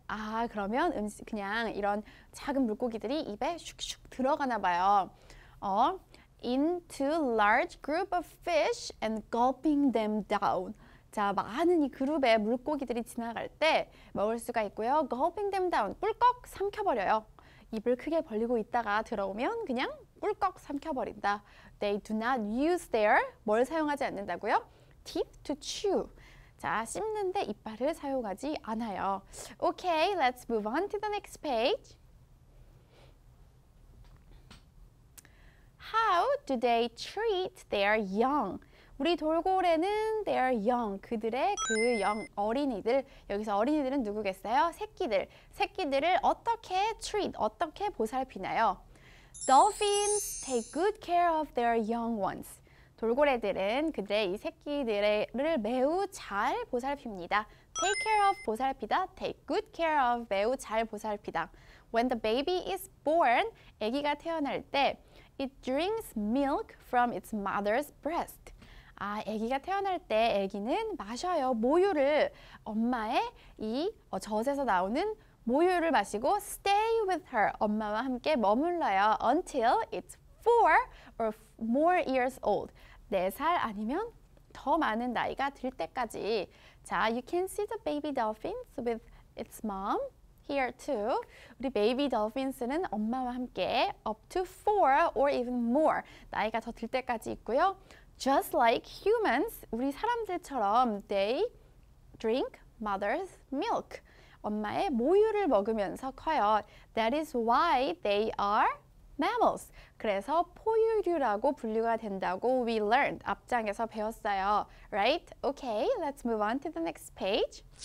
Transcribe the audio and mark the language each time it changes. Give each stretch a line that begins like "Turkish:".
Korean: 아, 그러면 음식, 그냥 이런 작은 물고기들이 입에 슉슉 들어가나 봐요.
English: Into large group of fish and gulping them down.
Korean: 자, 많은 이 그룹의 물고기들이 지나갈 때 먹을 수가 있고요.
English: Gulping them down,
Korean: 꿀꺽 삼켜버려요. 입을 크게 벌리고 있다가 들어오면 그냥 꿀꺽 삼켜버린다.
English: They do not use their,
Korean: 뭘 사용하지 않는다고요?
English: Teeth to chew.
Korean: 자, 씹는데 이빨을 사용하지 않아요.
English: Okay, let's move on to the next page. How do they treat their young?
Korean: 우리 돌고래는
English: their young,
Korean: 그들의 그
English: young,
Korean: 어린이들. 여기서 어린이들은 누구겠어요? 새끼들. 새끼들을 어떻게
English: treat,
Korean: 어떻게 보살피나요?
English: Dolphins take good care of their young ones.
Korean: 돌고래들은 그들의 이 새끼들을 매우 잘 보살핍니다.
English: Take care of,
Korean: 보살피다.
English: Take good care of,
Korean: 매우 잘 보살피다.
English: When the baby is born,
Korean: 아기가 태어날 때,
English: It drinks milk from its mother's breast.
Korean: 아, 아기가 태어날 때 아기는 마셔요. 모유를 엄마의 이 젖에서 나오는 모유를 마시고
English: stay with her.
Korean: 엄마와 함께 머물러요.
English: Until it's 4 or more years old.
Korean: 4살 아니면 더 많은 나이가 들 때까지.
English: 자, you can see the baby dolphins with its mom. Here too,
Korean: 우리 베이비 돌핀스는 엄마와 함께
English: up to 4 or even more
Korean: 나이가 더들 때까지 있고요.
English: Just like humans,
Korean: 우리 사람들처럼
English: they drink mother's milk.
Korean: 엄마의 모유를 먹으면서 커요.
English: That is why they are mammals.
Korean: 그래서 포유류라고 분류가 된다고
English: we learned
Korean: 앞장에서 배웠어요.
English: Right? Okay, let's move on to the next page.